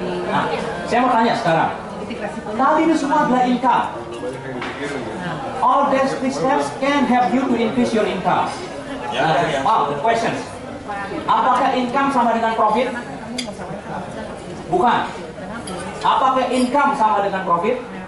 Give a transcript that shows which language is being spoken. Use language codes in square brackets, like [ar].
[id] Nah, saya mau tanya sekarang. Tadi itu semua adalah income. [en] All these three steps can help you to increase your income. Nah, the question. [id] Apakah income sama dengan profit? Bukan. Apakah income sama dengan profit?